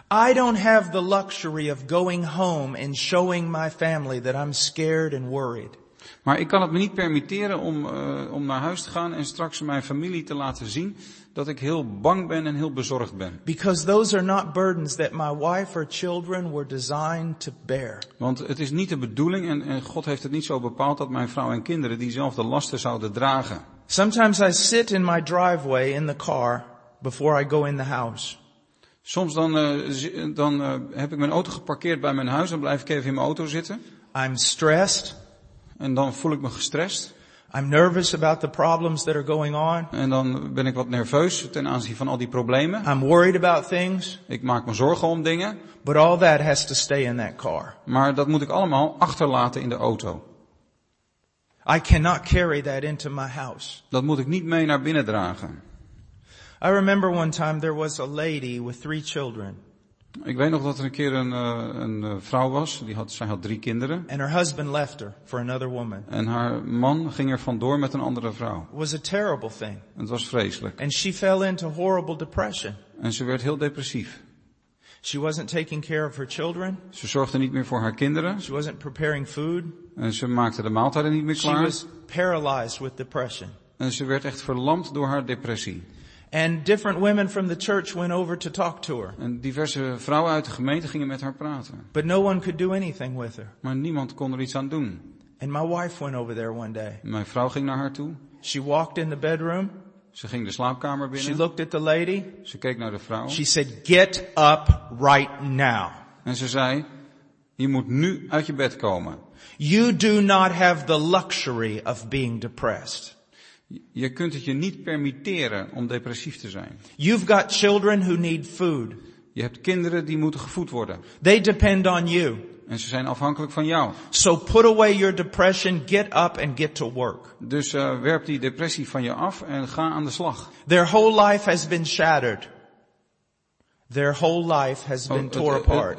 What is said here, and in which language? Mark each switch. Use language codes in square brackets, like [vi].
[en] I don't have the luxury of going home and showing my family that I'm scared and worried. [nl] Maar ik kan het me niet permitteren om naar huis te gaan en straks mijn familie te laten zien dat ik heel bang ben en heel bezorgd ben. [en] Because those are not burdens that my wife or children were designed to bear. [nl] Want het is niet de bedoeling en God heeft het niet zo bepaald dat mijn vrouw en kinderen diezelfde lasten zouden dragen. [en] Sometimes I sit in my driveway in the car before I go in the house. [nl] Soms dan heb ik mijn auto geparkeerd bij mijn huis en blijf ik even in mijn auto zitten. [en] I'm stressed. [nl] En dan voel ik me gestrest. [en] I'm nervous about the problems that are going on. [nl] En dan ben ik wat nerveus ten aanzien van al die problemen. [en] I'm worried about things. [nl] Ik maak me zorgen om dingen. [en] But all that has to stay in that car. [nl] Maar dat moet ik allemaal achterlaten in de auto. [en] I cannot carry that into my house. [nl] Dat moet ik niet mee naar binnen dragen. [en] I remember one time there was a lady with three children. [nl] Ik weet nog dat er een keer een vrouw was. Zij had drie kinderen. [en] And her husband left her for another woman. [nl] En haar man ging er vandoor met een andere vrouw. [en] It was a terrible thing. [nl] En het was vreselijk. [en] And she fell into horrible depression. [nl] En ze werd heel depressief. [en] She wasn't taking care of her children. [nl] Ze zorgde niet meer voor haar kinderen. [en] She wasn't preparing food. [nl] En ze maakte de maaltijden niet meer klaar. [en] She was paralyzed with depression. [nl] En ze werd echt verlamd door haar depressie. [en] And different women from the church went over to talk to her. [nl] En diverse vrouwen uit de gemeente gingen met haar praten. [en] But no one could do anything with her. [nl] Maar niemand kon er iets aan doen. [en] And my wife went over there one day. [nl] Mijn vrouw ging naar haar toe. [en] She walked in the bedroom. [nl] Ze ging de slaapkamer binnen. [en] She looked at the lady. [nl] Ze keek naar de vrouw. [en] She said, "Get up right now." [nl] En ze zei, je moet nu uit je bed komen. [en] You do not have the luxury of being depressed. [nl] Je kunt het je niet permitteren om depressief te zijn. [en] You've got children who need food. [nl] Je hebt kinderen die moeten gevoed worden. [en] They depend on you. [nl] En ze zijn afhankelijk van jou. [en] So put away your depression, get up and get to work. [nl] Dus werp die depressie van je af en ga aan de slag. [en] Their whole life has been shattered. Their whole life has been torn apart.